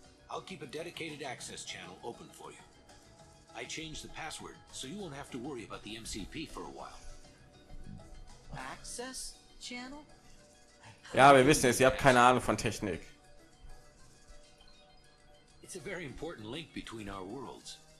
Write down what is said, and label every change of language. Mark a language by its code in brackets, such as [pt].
[en] I'll keep a dedicated access channel open for you. I changed the password, so you won't have to worry about the MCP for a while. Access channel? [de] Ja, wir wissen es, ihr habt keine Ahnung von Technik. [en] It's a very important link between our worlds.